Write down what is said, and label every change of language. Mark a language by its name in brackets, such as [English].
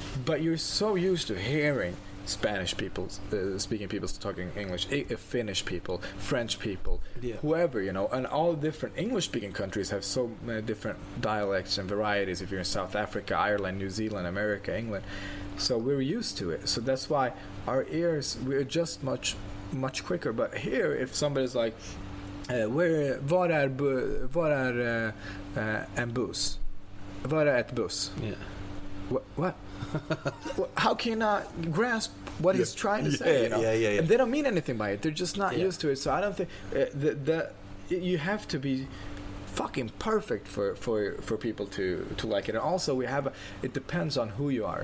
[English] But you're so used to hearing Spanish people speaking, people talking English, Finnish people, French people, whoever, you know, and all different English-speaking countries have so many different dialects and varieties. If you're in South Africa, Ireland, New Zealand, America, England. So we're used to it. So that's why our ears, we adjust much, much quicker. But here, if somebody's like, "Where, [Swedish] var är en buss? Var är ett buss?" [English] Yeah. What? How can you not grasp what he's trying to say? You know? Yeah, yeah, yeah. And they don't mean anything by it. They're just not used to it. So I don't think you have to be fucking perfect for people to like it. And also, we have it depends on who you are.